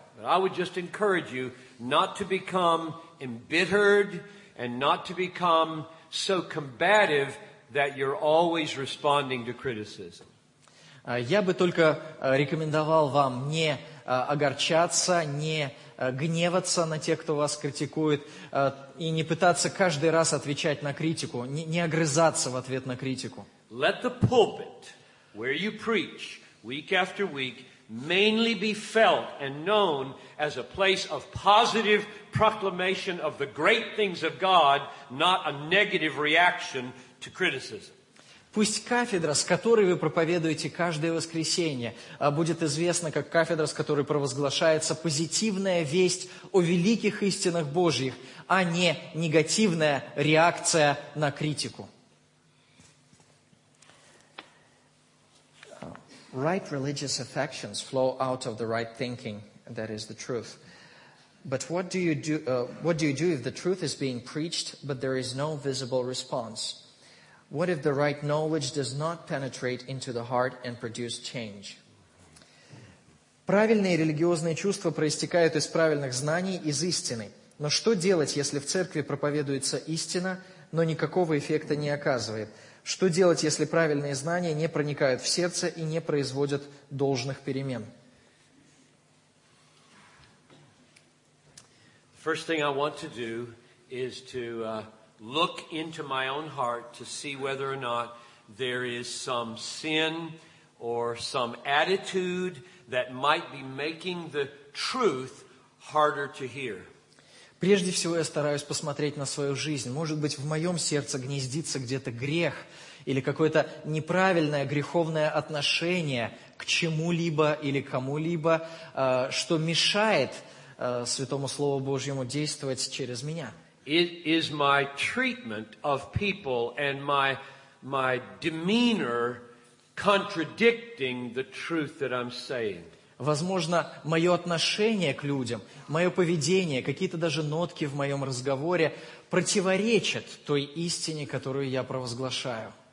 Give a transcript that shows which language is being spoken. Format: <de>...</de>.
<en>But I would just encourage you not to become embittered and not to become so combative that you're always responding to criticism.</en> <ru>Я бы только рекомендовал вам не огорчаться, не гневаться на тех, кто вас критикует, и не пытаться каждый раз отвечать на критику, не огрызаться в ответ на критику.</ru> <en>Let the pulpit where you preach week after week mainly be felt and known as a place of positive proclamation of the great things of God, not a negative reaction to criticism.</en> <ru>Пусть кафедра, с которой вы проповедуете каждое воскресенье, будет известна как кафедра, с которой провозглашается позитивная весть о великих истинах Божьих, а не негативная реакция на критику.</ru> <en>Right religious affections flow out of the right thinking, that is the truth. But what do you do if the truth is being preached, but there is no visible response? What if the right knowledge does not penetrate into the heart and produce change?</en> <ru>Правильные религиозные чувства проистекают из правильных знаний, из истины. Но что делать, если в церкви проповедуется истина, но никакого эффекта не оказывает? Что делать, если правильные знания не проникают в сердце и не производят должных перемен?</ru> <en>First thing I want to do is to look into my own heart to see whether or not there is some sin or some attitude that might be making the truth harder to hear.</en> <ru>Прежде всего, я стараюсь посмотреть на свою жизнь. Может быть, в моем сердце гнездится где-то грех или какое-то неправильное греховное отношение к чему-либо или кому-либо, что мешает Святому Слову Божьему действовать через меня.</ru> <en>It is my treatment of people and my demeanor contradicting the truth that I'm saying.</en> <ru>Возможно, мое отношение к людям, мое поведение, какие-то даже нотки в моем разговоре противоречат той истине, которую я провозглашаю.</ru>